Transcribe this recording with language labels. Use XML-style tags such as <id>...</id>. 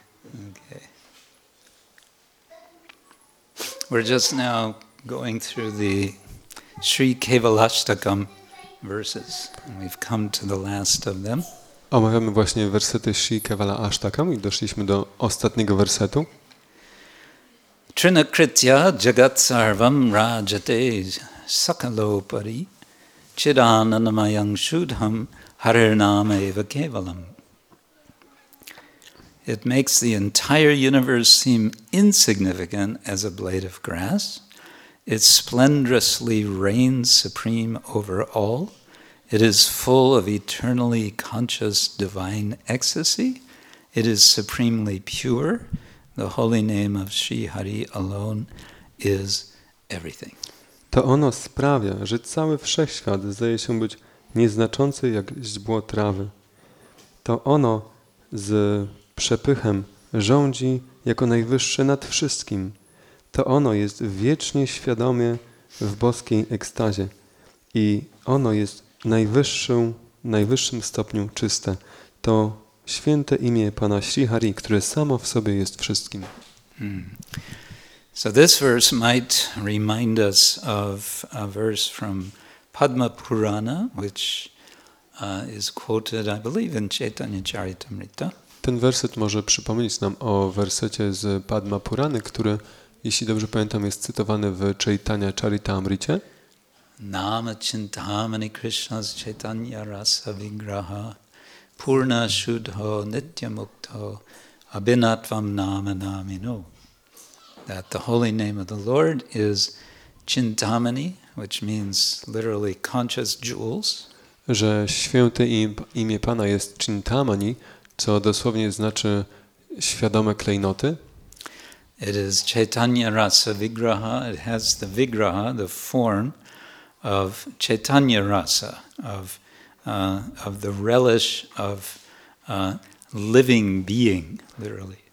<en>Okay. We're just now going through the Sri Kevalashtakam verses, and we've come to the last of them.</en> <pl>Omawiamy właśnie wersety Sri Kevalashtakam i doszliśmy do ostatniego wersetu.</pl> <sa>Trinakritya jagat sarvam rajate sakalopari chidananamayam shudham harirnama eva kevalam.</sa> <en>It makes the entire universe seem insignificant as a blade of grass. It splendorously reigns supreme over all. It is full of eternally conscious divine ecstasy. It is supremely pure. The holy name of Sri Hari alone is everything.</en> <pl>To ono sprawia, że cały wszechświat zdaje się być nieznaczący jak źdźbło trawy. To ono z przepychem rządzi jako najwyższe nad wszystkim. To ono jest wiecznie świadomie w boskiej ekstazie. I ono jest najwyższym stopniu czyste. To święte imię Pana Sri Hari, które samo w sobie jest wszystkim.</pl> <en>So this verse might remind us of a verse from Padma Purana, which is quoted, I believe, in Chaitanya Charitamrita.</en> <pl>Ten werset może przypomnieć nam o wersecie z Padma Purany, który, jeśli dobrze pamiętam, jest cytowany w Chaitanya Charitamrita.</pl> <sa>Nama Chintamani Krishna's Chaitanya Rasa Vigraha Purna Shudho Nitya Mukto Abhinatvam Nama Namino.</sa> <en>That the holy name of the Lord is Chintamani, which means literally conscious jewels.</en> <pl>Że święte imię Pana jest Chintamani, co dosłownie znaczy świadome klejnoty.</pl> <en>It is Chaitanya Rasa Vigraha. It has the Vigraha, the form of Chaitanya Rasa, of the relish of living being, literally.</en>